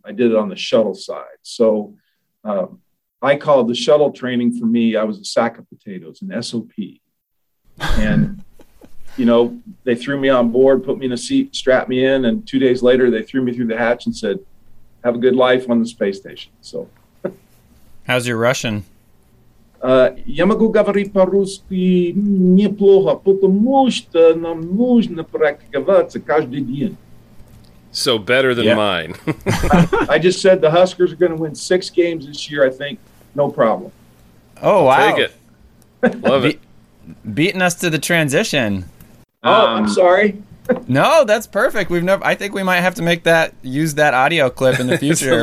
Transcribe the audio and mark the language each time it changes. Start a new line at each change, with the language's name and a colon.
English: I did it on the shuttle side. So I called the shuttle training for me. I was a sack of potatoes, an SOP. And, you know, they threw me on board, put me in a seat, strapped me in. And 2 days later, they threw me through the hatch and said, have a good life on the space station. So how's your Russian?
Russian: Я могу говорить по-русски неплохо, потому что нам нужно практиковаться каждый день.
English: So better than mine. I just said the Huskers are going to win 6 games this year, I think. No problem. Oh, wow. Take it. Love it. Beating us to the transition. Oh, I'm sorry. No, that's perfect. I think we might have to use that audio clip in the future